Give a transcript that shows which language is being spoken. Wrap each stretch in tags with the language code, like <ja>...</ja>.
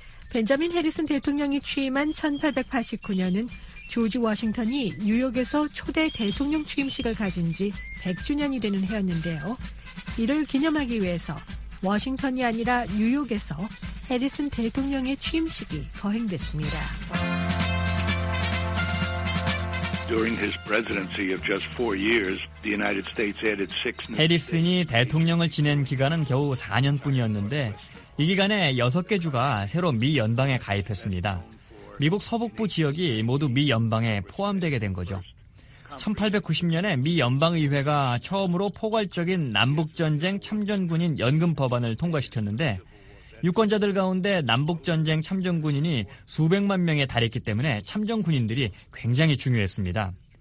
<ko>벤자민 해리슨 대통령이 취임한 1889년은 조지 워싱턴이 뉴욕에서 초대 대통령 취임식을 가진 지 100주년이 되는 해였는데요. 이를 기념하기 위해서 워싱턴이 아니라 뉴욕에서 해리슨 대통령의 취임식이 거행됐습니다.</ko> <en>During his presidency of just 4 years, the United States added 6.</en> <ko>해리슨이 대통령을 지낸 기간은 겨우 4년뿐이었는데 이 기간에 6개 주가 새로 미 연방에 가입했습니다. 미국 서북부 지역이 모두 미 연방에 포함되게 된 거죠. 1890년에 미 연방의회가 처음으로 포괄적인 남북전쟁 참전군인 연금법안을 통과시켰는데 유권자들 가운데 남북전쟁 참전군인이 수백만 명에 달했기 때문에 참전군인들이 굉장히 중요했습니다.</ko>